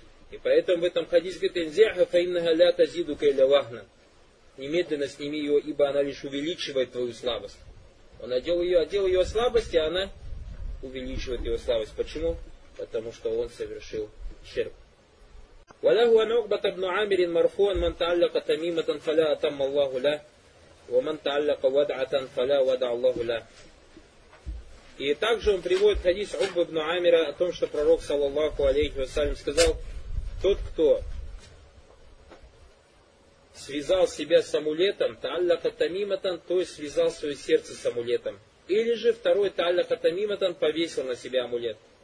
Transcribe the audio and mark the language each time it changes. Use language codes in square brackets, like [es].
[ru] И поэтому в этом хадисе говорит, [ar] «Инзяха фаиннага ля тазиду кайля вахна». [ru] Немедленно сними ее, ибо она лишь увеличивает твою слабость. Он одел ее слабость, и она увеличивает его слабость. Почему? Потому что он совершил ширк. [ar] وله عن عقبة بن عامر مرفوعا من تعلق تميمة فلا أتم الله له ومن تعلق ودعة فلا ودع الله له. [ru] И также он приводит хадис Укбы ибн Амира о том, что пророк саллаллаху алейхи ва саллям сказал, тот, кто связал себя с амулетом, [ar] таллака тамиматан, [ru] то есть связал свое сердце с амулетом. Или же второй [ar] таллака тамиматан [ru] повесил на себя амулет.